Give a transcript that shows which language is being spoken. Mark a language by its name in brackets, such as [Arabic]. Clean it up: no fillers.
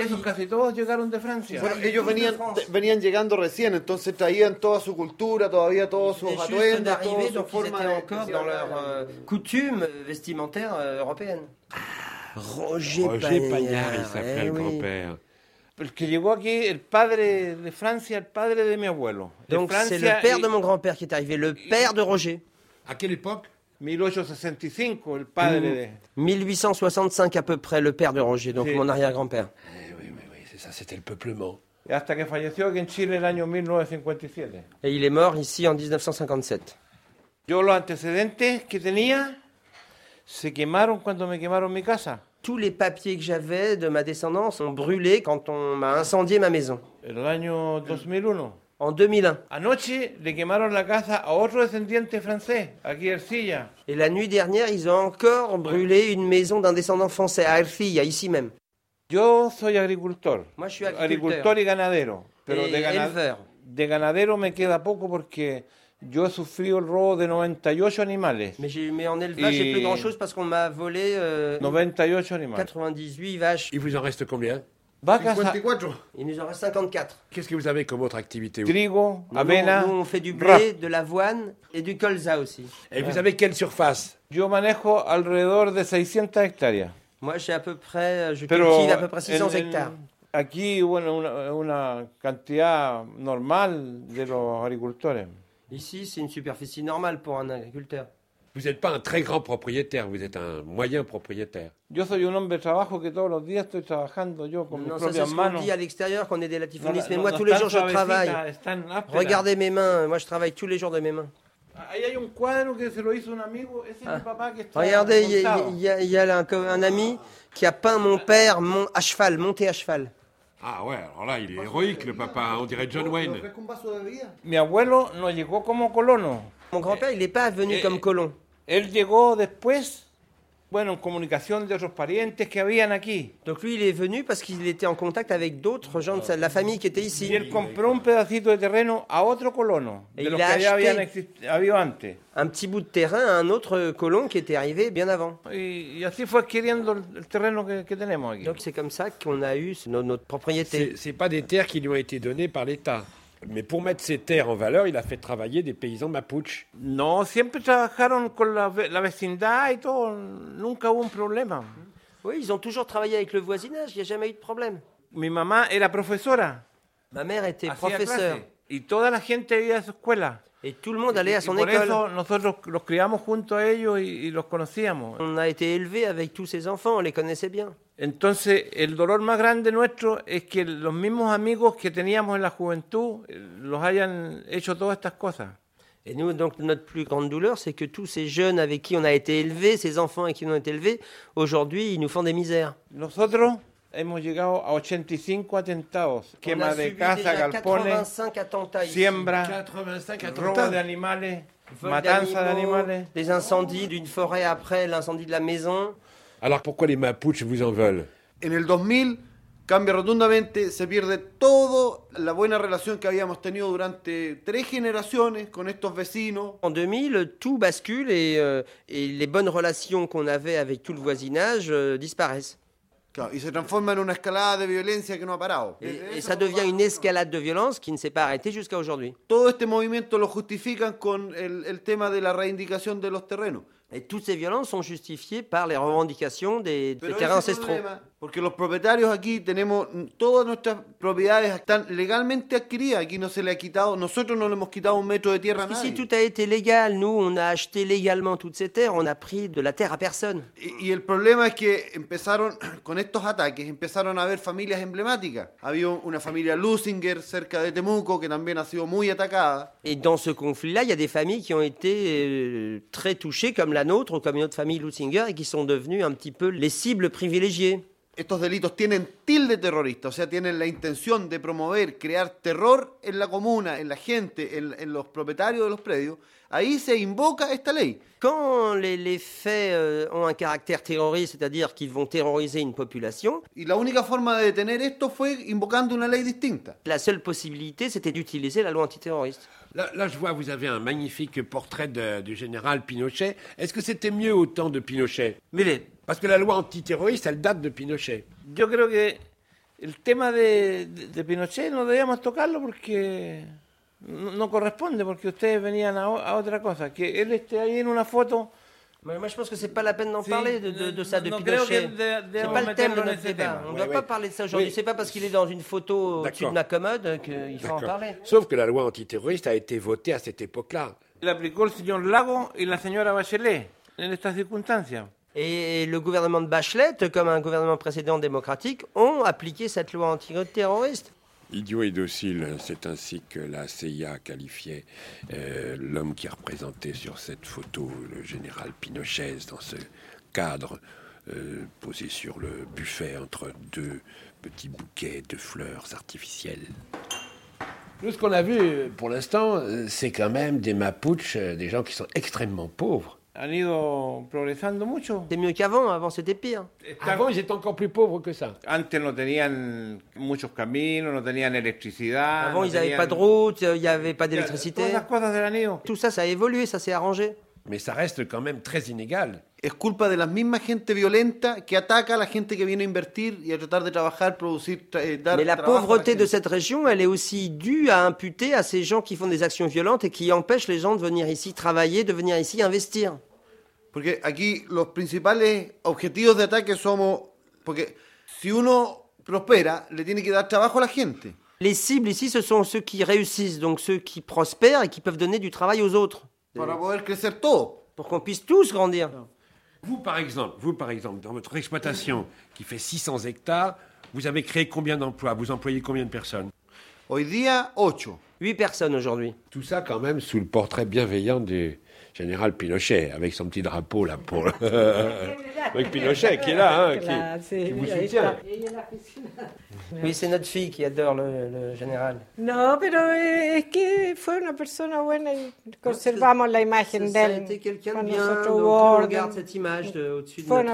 [Spanish] Esos casi todos llegaron de Francia. Bueno, ellos venían llegando recién, entonces traían toda su cultura, todavía todos sus atuendos, toda su forma. [French] Ils étaient encore dans leur coutume vestimentaire européenne. Roger Pagnard, il s'appelait le grand-père. Parce que [Spanish] llegó aquí el padre de Francia, el padre de mi abuelo. [French] Donc c'est le père de mon grand-père qui est arrivé, le père de Roger. À quelle époque? 1865, le [Spanish] padre de. [French] 1865 à peu près, le père de Roger, donc mon arrière-grand-père. Oui, c'est ça, c'était le peuplement. Et [Spanish] hasta que falleció aquí en Chile el año 1957. [French] Et il est mort ici en 1957. [Spanish] Yo los antecedentes que tenía. Se quemaron cuando me quemaron mi casa. [French] Tous les papiers que j'avais de ma descendance ont brûlé quand on m'a incendié ma maison. [Spanish] El año 2001. [French] En 2001. [Spanish] Anoche le quemaron la casa a otro descendiente francés, aquí Ercilla. [French] Et la nuit dernière, ils ont encore brûlé une maison d'un descendant français à Ercilla, ici même. [Spanish] Yo soy agricultor. [French] Moi, je suis agriculteur. [Spanish] Agricultor y ganadero. Pero de ganadero me queda poco porque Yo he sufrido el robo de 98 animales. [French] Mais en élevage, j'ai plus grand-chose parce qu'on m'a volé... 98 animaux. 98 vaches. Il vous en reste combien? 54. Il nous en reste 54. Qu'est-ce que vous avez comme autre activité? [Spanish] Trigo, avena... [French] Nous, on fait du blé, de l'avoine et du colza aussi. Et vous avez quelle surface? [Spanish] Yo manejo alrededor de 600 hectares. [French] Moi, j'ai à peu près... Je cultive à peu près 600 hectares. [Spanish] Aquí, bueno, una cantidad normal de los agricultores. [French] Ici, c'est une superficie normale pour un agriculteur. Vous n'êtes pas un très grand propriétaire, vous êtes un moyen propriétaire. [Spanish] Yo soy un hombre de trabajo que todos los días estoy trabajando yo con mis propias manos. [French] Non, ça se dit à l'extérieur qu'on est des latifonistes, mais moi, tous les jours, je travaille. Regardez mes mains, moi, je travaille tous les jours de mes mains. Regardez, il y a là un ami qui a peint mon père à cheval, monté à cheval. Ah ouais, alors là, il est héroïque, le papa, on dirait John Wayne. [Spanish] Mi abuelo no llegó como colono. [French] Mon grand-père, il n'est pas venu comme colon. [Spanish] Él llegó después, bueno, en comunicación de otros parientes que habían aquí. [French] Donc lui, il est venu parce qu'il était en contact avec d'autres gens de la famille qui était ici. [Spanish] Y él compró un pedacito de terreno a otro colono, [French] et [Spanish] de los que habían habido antes. [French] Un petit bout de terrain à un autre colon qui était arrivé bien avant. [Spanish] Y así fue adquiriendo el terreno que tenemos aquí. [French] Donc c'est comme ça qu'on a eu notre propriété. C'est pas des terres qui lui ont été données par l'État. Mais pour mettre ces terres en valeur, il a fait travailler des paysans mapuches. [Spanish] Non, siempre trabajaron con la vecindad y todo. Nunca hubo un problema. [French] Oui, ils ont toujours travaillé avec le voisinage, il n'y a jamais eu de problème. [Spanish] Mi mamá era profesora. [French] Ma mère était professeure. [Spanish] Y toda la gente iba a su escuela. [French] Et tout le monde allait à son école. [Spanish] Y por eso nosotros los criamos junto a ellos y los conocíamos. [French] On a été élevés avec tous ces enfants, on les connaissait bien. [Spanish] Entonces, el dolor más grande nuestro es que los mismos amigos que teníamos en la juventud los hayan hecho todas estas cosas. [French] Et nous, donc, notre plus grande douleur, c'est que tous ces jeunes avec qui on a été élevés, ces enfants avec qui on a été élevés, aujourd'hui, ils nous font des misères. [Spanish] Nosotros hemos llegado a 85 atentados. On quema de casa, galpones, siembra, robo de animales, matanza de animales. [French] Des incendies d'une forêt après l'incendie de la maison. Alors pourquoi les Mapuches vous en veulent? [Spanish] En el 2000, cambia rotundamente, se pierde toda la buena relación que habíamos tenido durante tres generaciones con estos vecinos. [French] En 2000, tout bascule et les bonnes relations qu'on avait avec tout le voisinage disparaissent. [Spanish] Claro, y se transforma en una escalada de violencia que no ha parado. [French] Y ça devient une escalade de violence qui ne s'est pas arrêtée jusqu'à aujourd'hui. [Spanish] Todo este movimiento lo justifican con el tema de la reivindicación de los terrenos. [French] Et toutes ces violences sont justifiées par les revendications des terrains ancestraux. [Spanish] Porque los propietarios aquí tenemos todas nuestras propiedades están legalmente adquiridas. Aquí no se le ha quitado, nosotros no le hemos quitado un metro de tierra a nadie. [French] Ici, tout a été légal. Nous, on a acheté légalement toutes ces terres. On a pris de la terre à personne. [Spanish] Y el problema es que empezaron con estos ataques, empezaron a haber familias emblemáticas. Había una familia Lusinger cerca de Temuco que también ha sido muy atacada. [French] Et dans ce conflit-là, il y a des familles qui ont été très touchées, comme la nôtre ou comme une autre famille Lusinger, et qui sont devenues un petit peu les cibles privilégiées. [Spanish] Estos delitos tienen tilde terrorista, o sea, tienen la intención de promover, crear terror en la comuna, en la gente, en los propietarios de los predios. Ahí se invoca esta ley. [French] Quand les faits ont un caractère terroriste, c'est-à-dire qu'ils vont terroriser une population. [Spanish] Y la única forma de detener esto fue invocando una ley distinta. [French] La seule posibilité, c'était d'utiliser la loi antiterroriste. Là, je vois, vous avez un magnifique portrait du général Pinochet. Est-ce que c'était mieux au temps de Pinochet? [Spanish] Mire, [French] parce que la loi antiterroriste, elle date de Pinochet. [Spanish] Yo creo que el tema de Pinochet, no debíamos tocarlo porque no corresponde, porque ustedes venían a otra cosa. Que él esté ahí en una foto. [French] Moi, je pense que ce n'est pas la peine d'en parler de ça, de Pinochet. Ce n'est pas le thème de notre débat. On ne doit pas parler de ça aujourd'hui. Ce n'est pas parce qu'il est dans une photo au-dessus de ma commode qu'il faut en parler. Sauf que la loi antiterroriste a été votée à cette époque-là. L'appliquait le [Spanish] señor Lago et la señora Bachelet, en estas circunstancias. [French] Et le gouvernement de Bachelet, comme un gouvernement précédent démocratique, ont appliqué cette loi antiterroriste. Idiot et docile, c'est ainsi que la CIA qualifiait l'homme qui représentait sur cette photo le général Pinochet dans ce cadre posé sur le buffet entre deux petits bouquets de fleurs artificielles. Nous, ce qu'on a vu pour l'instant, c'est quand même des Mapuches, des gens qui sont extrêmement pauvres. [Spanish] han ido progresando mucho. [French] C'est mieux qu'avant, avant c'était pire. Avant ils étaient encore plus pauvres que ça. [Spanish] Antes no tenían muchos caminos, no tenían electricidad. [French] Avant no ils n'avaient pas de route, il n'y avait pas d'électricité. Tout ça, ça a évolué, ça s'est arrangé. Mais ça reste quand même très inégal. [Spanish] Es culpa de la misma gente violenta que ataca a la gente que viene a invertir y a tratar de trabajar, producir, dar. [French] Mais la pauvreté de cette région, elle est aussi due à imputer à ces gens qui font des actions violentes et qui empêchent les gens de venir ici travailler, de venir ici investir. [Spanish] Porque aquí los principales objetivos de ataque somos, porque si uno prospera, le tiene que dar trabajo a la gente. [French] Les cibles ici, ce sont ceux qui réussissent, donc ceux qui prospèrent et qui peuvent donner du travail aux autres. [Spanish] Para poder crecer todo. [French] Pour qu'on puisse tous grandir. Vous, par exemple, dans votre exploitation qui fait 600 hectares, vous avez créé combien d'emplois? Vous employez combien de personnes? [Spanish] Hoy día, 8. [French] 8 personnes aujourd'hui. Tout ça quand même sous le portrait bienveillant du général Pinochet, avec son petit drapeau là pour... avec Pinochet qui est là, hein, qui vous soutient. Oui, c'est notre fille qui adore le général. [Spanish] Non, pero es que fue una persona buena y conservamos la imagen d'elle. [French] C'était quelqu'un de bien, donc on regarde cette image de, au-dessus de notre bureau.